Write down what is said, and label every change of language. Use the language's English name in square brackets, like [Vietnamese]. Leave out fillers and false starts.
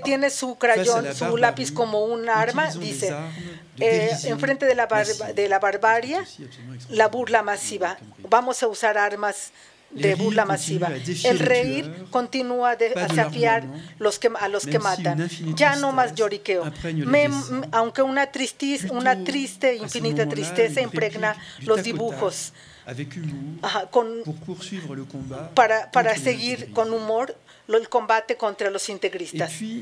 [Spanish] tiene su crayón, su lápiz como un arma, dice, enfrente de la barbarie, la burla masiva. Vamos a usar armas de burla masiva. El reír continúa de desafiar a los que matan. Ya no más lloriqueo. Aunque una triste, infinita tristeza impregna los dibujos. [French] Avec humour, pour poursuivre le combat [Spanish] para seguir con humor el combate contra los integristas.